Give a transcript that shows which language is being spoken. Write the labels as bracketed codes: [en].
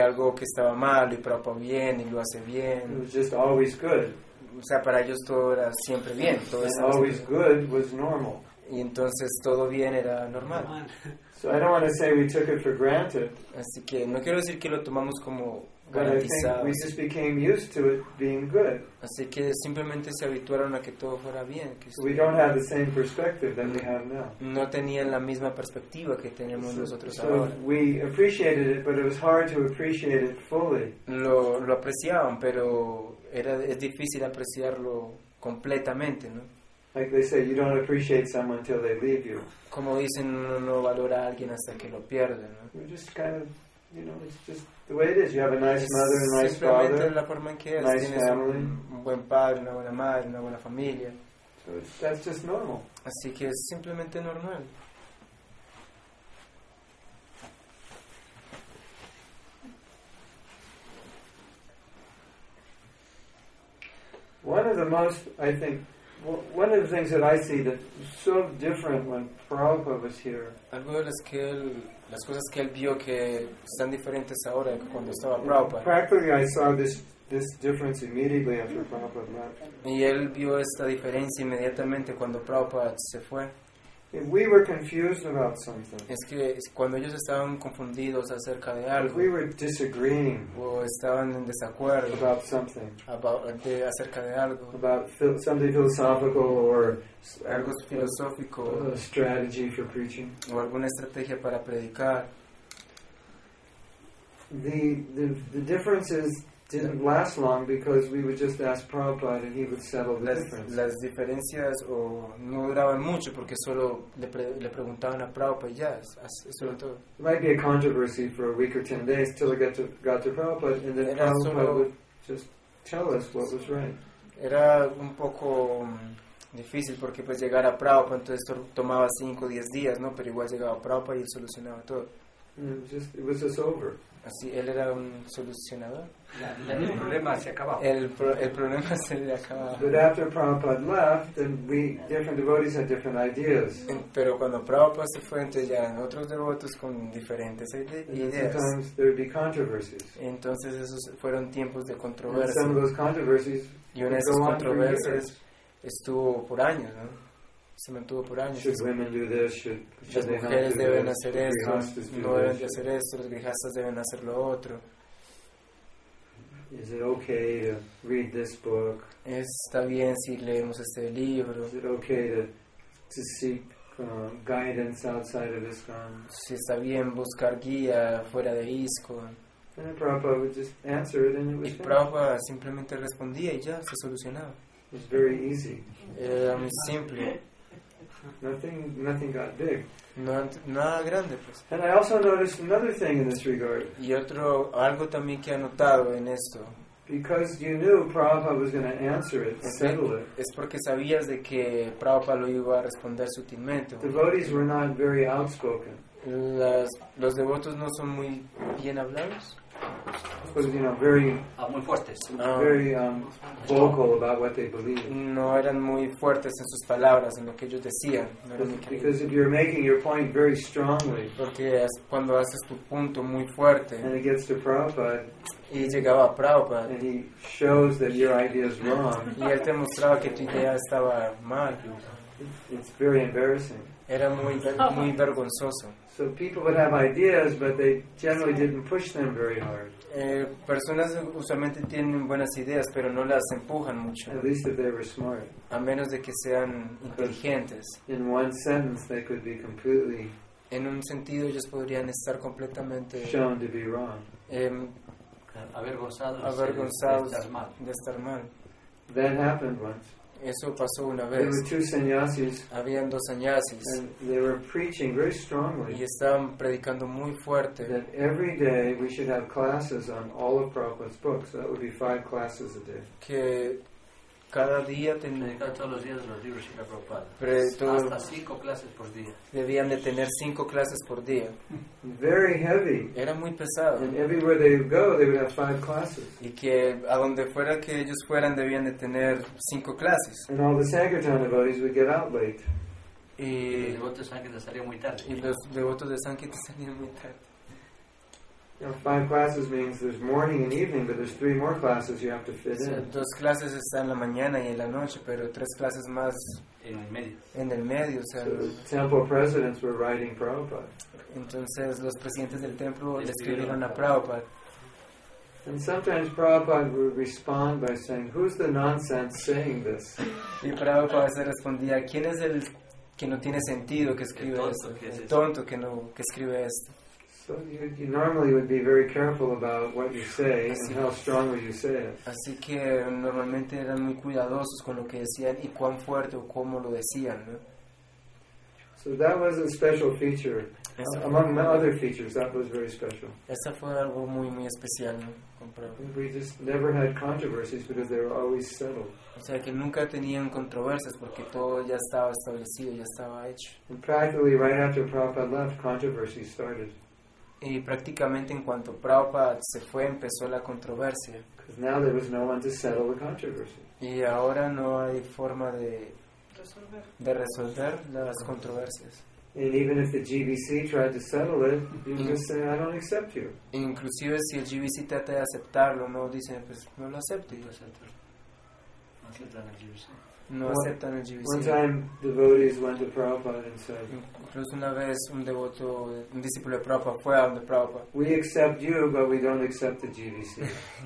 [es] algo que estaba mal y Prabhupada bien y lo hace bien. [en] It was just always good. [es] O sea, para ellos todo era siempre bien. Todo [en] and always [es] bien. [en] Good was normal. [es] Y entonces todo bien era normal. [en] So I don't want to say we took it for granted. [es] Así que no quiero decir que lo tomamos como garantizado. [en] But I think we just became used to it being good. [es] Así que simplemente se habituaron a que todo fuera bien. Que [en] we don't have the same perspective that we have now. [es] No tenían la misma perspectiva que tenemos nosotros [en] so [es] ahora. [en] We appreciated it, but it was hard to appreciate it fully. [es] Lo apreciaban, pero es difícil apreciarlo completamente, ¿no? [en] Like they say, you don't appreciate someone until they leave you. [es] Como dicen, uno no valora a alguien hasta que lo pierde, ¿no? [en] You're just kind of, you know, it's just the way it is. You have a nice mother and nice father. [es] La forma en que es. [en] Nice [es] tienes [en] family. [es] Un buen padre, una buena madre, una buena familia. [en] So that's just normal. [es] Así que es simplemente normal. [en] One of the most, I think, one of the things that I see that was so different when Prabhupada was here. [es] Algo de las cosas que él vio que están diferentes ahora cuando estaba Prabhupada. [en] Practically, I saw this difference immediately after Prabhupada left. [es] Y él vio esta diferencia inmediatamente cuando Prabhupada se fue. [en] If we were confused about something. [es] Es que cuando ellos estaban confundidos acerca de algo. [en] If we were disagreeing. [es] O estaban en desacuerdo. [en] About something. [es] Acerca de algo. [en] About something philosophical or [es] algo filosófico. [en] A strategy for preaching. [es] O alguna estrategia para predicar. [en] The differences didn't last long because we would just ask Prabhupada and he would settle the difference. [es] Las diferencias no duraban mucho porque solo le preguntaban a Prabhupada y ya, sobre todo. [en] It might be a controversy for a week or 10 days till it got to Prabhupada and then Prabhupada would just tell us what was right. [es] Era un poco difícil porque pues llegar a Prabhupada entonces tomaba 5 o 10 días, ¿no? Pero igual llegaba a Prabhupada y él solucionaba todo. [en] It was just over. [es] Así, él era un solucionador. El problema se acababa. El problema se le acababa. [en] But after Prabhupada left, then we different devotees had different ideas. [es] Pero cuando Prabhupada se fue, entonces ya eran otros devotos con diferentes ideas. [en] Sometimes there would be controversies. [es] Entonces esos fueron tiempos de controversia. [en] Some of those controversies. [es] Y una de esas controversias estuvo por años, ¿no? Se mantuvo por años. [en] Should women do this? Should [es] las mujeres [en] they [es] deben [en] do [es] hacer [en] this? [es] Esto, no deben de hacer esto, los grihastas deben hacer lo otro. [en] Is it okay to read this book? [es] Está bien si leemos este libro. [en] Is it okay to seek guidance outside of ISKCON. [es] Si está bien buscar guía fuera de ISKCON. [en] And Prabhupada would just answer it, and it was finished. [es] Y Prabhupada simplemente respondía y ya se solucionaba. [en] It was very easy. [es] Era muy simple. [en] Nothing got big. [es] Nada grande, pues. [en] And I also noticed another thing in this regard. [es] Y otro algo también que he notado en esto. [en] Because you knew Prabhupada was going to answer it, settle it. [es] Es porque sabías de que Prabhupada lo iba a responder sutilmente. [en] Devotees were not very outspoken. [es] Los devotos no son muy bien hablados. [en] Because, you know, very [es] muy fuertes. [en] Very vocal about what they believe. [es] No eran muy fuertes en sus palabras, en lo que ellos decían. [en] Because if you're making your point very strongly, [es] porque es cuando haces tu punto muy fuerte, [en] and it gets to Prabhupada, [es] y llegaba a Prabhupada, [en] and he shows that your idea is wrong, [es] y él te mostraba que tu idea estaba mal. [en] It's very embarrassing. [es] Era muy vergonzoso. [en] So people would have ideas, but they generally didn't push them very hard. [es] Personas usualmente tienen buenas ideas, pero no las empujan mucho. [en] At least if they were smart. [es] A menos de que sean inteligentes. [en] In one sentence, they could be completely. [es] En un sentido, ellos podrían estar completamente. [en] Shown to be wrong. [es] Avergonzados de estar mal. [en] That happened once. [es] Eso pasó una vez. [en] There were two sannyasis. [es] Habían dos sannyasis. [en] And they were preaching very strongly. [es] Y estaban predicando muy fuerte. [en] That every day we should have classes on all of Prabhupada's books. That would be five classes a day. [es] Que cada día todos los días los libros de Prabhupada. Hasta cinco clases por día. Debían de tener cinco clases por día. [en] Very heavy. [es] Era muy pesado. [en] And everywhere they would go, they would have five classes. [es] Y que a donde fuera que ellos fueran, debían de tener cinco clases. [en] And all the Sankirtan devotees would get out late. [es] Y los devotos de salían muy tarde. Y los devotos de Sankirtan salían muy tarde. You know, five classes means there's morning and evening, but there's three more classes you have to fit in. Dos clases están en la mañana y en la noche, pero tres clases más en el medio. O sea, [en] so the temple presidents were writing Prabhupada. [es] Entonces los presidentes del templo le escribieron a Prabhupada. [en] And sometimes Prabhupada would respond by saying, "Who's the nonsense saying this?" [es] Y Prabhupada se respondía, "¿Quién es el que no tiene sentido que escribe esto? El tonto que escribe esto." [en] So you normally would be very careful about what you say and how strongly you say it. [es] Así que normalmente eran muy cuidadosos con lo que decían y cuán fuerte o cómo lo decían, ¿no? [en] So that was a special feature. Among my other features, that was very special. [es] Esa fue algo muy muy especial, ¿no? [en] We just never had controversies because they were always settled. [es] O sea que nunca tenían controversias porque todo ya estaba establecido, ya estaba hecho. [en] And practically right after Prabhupada left, controversies started. [es] Y prácticamente en cuanto Prabhupada se fue, empezó la controversia. [en] Because now there was no one to settle the controversy. [es] Y ahora no hay forma de resolver las controversias. [en] And even if the GBC tried to settle it, you just say, "I don't accept you." [es] Inclusive si el GBC trata de aceptarlo, no dicen, pues no lo acepto. No aceptan el GBC. No aceptan el GBC. [en] One time, devotees went to Prabhupada and said. [es] Incluso una vez un devoto, un discípulo de Prabhupada fue a donde Prabhupada. [en] We accept you, but we don't accept the GBC.